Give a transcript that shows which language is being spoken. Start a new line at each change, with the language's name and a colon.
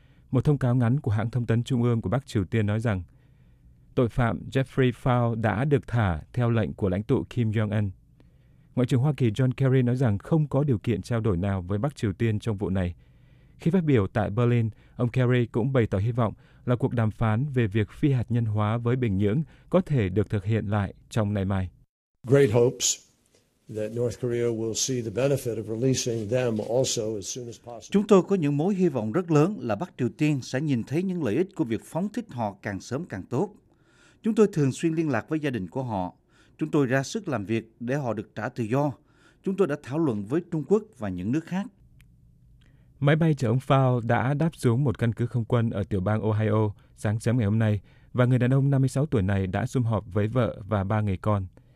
Vietnamese: Một thông cáo ngắn của hãng thông tấn trung ương của Bắc Triều Tiên nói rằng tội phạm Jeffrey Phao đã được thả theo lệnh của lãnh tụ Kim Jong-un. Ngoại trưởng Hoa Kỳ John Kerry nói rằng không có điều kiện trao đổi nào với Bắc Triều Tiên trong vụ này. Khi phát biểu tại Berlin, ông Kerry cũng bày tỏ hy vọng là cuộc đàm phán về việc phi hạt nhân hóa với Bình Nhưỡng có thể được thực hiện lại trong ngày mai.
English: Great hopes that North Korea will see the benefit of releasing them also as soon as possible.
Vietnamese: Chúng tôi có những mối hy vọng rất lớn là Bắc Triều Tiên sẽ nhìn thấy những lợi ích của việc phóng thích họ càng sớm càng tốt. Chúng tôi thường xuyên liên lạc với gia đình của họ. Chúng tôi ra sức làm việc để họ được trả tự do. Chúng tôi đã thảo luận với Trung Quốc và những nước khác. Máy bay chở ông Phao đã đáp xuống một căn cứ không quân ở tiểu bang Ohio sáng sớm ngày hôm nay và người đàn ông 56 tuổi này đã sum họp với vợ và ba người con.